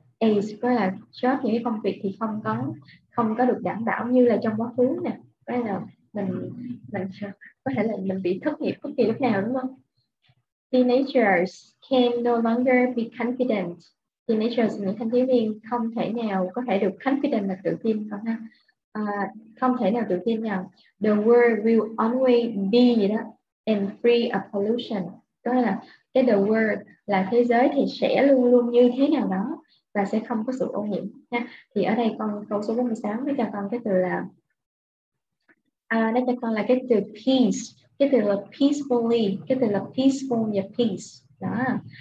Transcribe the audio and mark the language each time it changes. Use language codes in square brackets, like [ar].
[vi] is có là job, những cái công việc thì không có, không có được đảm bảo như là trong quá khứ nè. Bây giờ mình có thể là mình bị thất nghiệp bất kỳ lúc nào đúng không? [en] Teenagers can no longer be confident. [vi] Teenagers, những thanh thiếu niên không thể nào có thể được confident, là tự tin không ha? Không thể nào tự tin nào. [en] The world will only be đó, and free of pollution. [vi] Đó là cái the world là thế giới thì sẽ luôn luôn như thế nào đó và sẽ không có sự ô nhiễm ha. Thì ở đây con câu số 46 mới cho con cái từ là nó cho con là cái từ peace, cái từ là peacefully, cái từ là peaceful và peace đó.